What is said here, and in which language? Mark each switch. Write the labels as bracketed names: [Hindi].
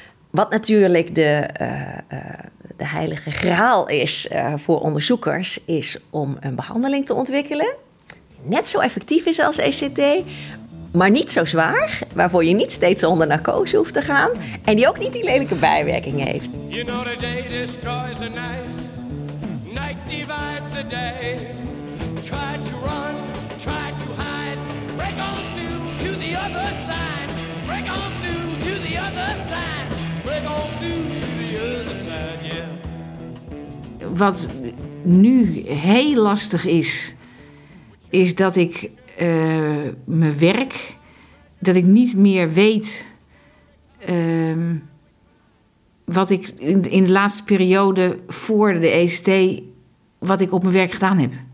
[Dutch] Wat natuurlijk de heilige graal is voor onderzoekers, is om een behandeling te ontwikkelen. Net zo effectief is als ECT, maar niet zo zwaar, waarvoor je niet steeds onder narcose hoeft te gaan en die ook niet die lelijke bijwerking heeft. [English] You know the day destroys the night, night divides the day. Try to run, try to hide, break on through to the other side. Break on through to the other side, break on through to the other side, yeah. [Dutch] Wat nu heel lastig is, is dat ik mijn werk, dat ik niet meer weet wat ik in de laatste periode voor de ECT, wat ik op mijn werk gedaan heb.